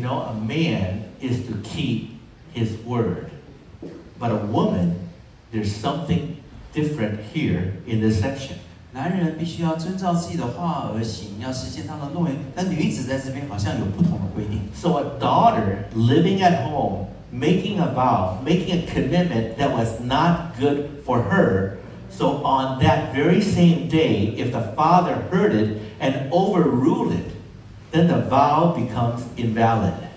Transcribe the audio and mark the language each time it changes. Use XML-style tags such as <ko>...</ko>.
<en>know, a man is to keep his word, but a woman, there's something different here in this section.</en> <zh>男人必须要遵照自己的话而行，要实践他的诺言，但女子在这边好像有不同的规定。</zh> <en>So a daughter living at home, making a vow, making a commitment that was not good for her. So on that very same day, if the father heard it and overruled it, then the vow becomes invalid.</en>